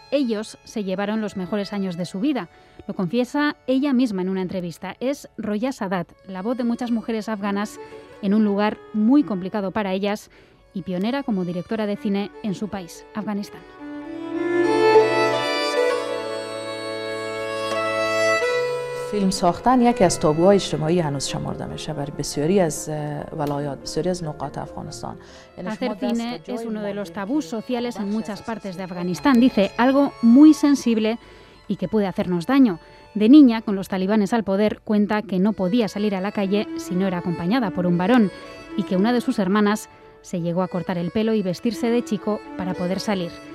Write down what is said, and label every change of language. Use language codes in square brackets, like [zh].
[es] Ellos se llevaron los mejores años de su vida. Lo confiesa ella misma en una entrevista. Es Roya Sadat, la voz de muchas mujeres afganas en un lugar muy complicado para ellas y pionera como directora de cine en su país, Afganistán. [fa] فیلم ساختن یکی از تابوهای اجتماعی هنوز شمارده میشه برای بسیاری از ولایات، بسیاری از نقاط افغانستان. [es] Hacer cine es uno de los tabús sociales en muchas partes de Afganistán, dice, algo muy sensible y que puede hacernos daño. De niña, con los talibanes al poder, cuenta que no podía salir a la calle si no era acompañada por un varón y que una de sus hermanas se llegó a cortar el pelo y vestirse de chico para poder salir.